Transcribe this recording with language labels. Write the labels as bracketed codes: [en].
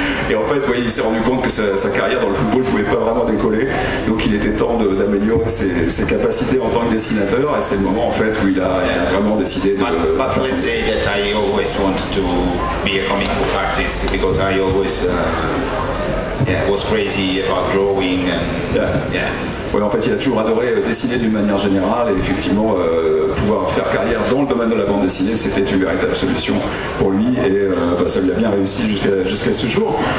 [fr] Et en fait, ouais, il s'est rendu compte que sa carrière dans le football ne pouvait pas vraiment décoller. Donc, il était temps d'améliorer ses capacités en tant que dessinateur. Et c'est le moment, en fait, où il a vraiment décidé de. [en] But let's say that I always wanted to be a comic book artist because I always. Yeah, was crazy about drawing and yeah. [fr] Ouais, en fait, il a toujours adoré dessiner d'une manière générale et effectivement pouvoir faire carrière dans le domaine de la bande dessinée, c'était une véritable solution pour lui et ça lui a bien réussi jusqu'à ce jour.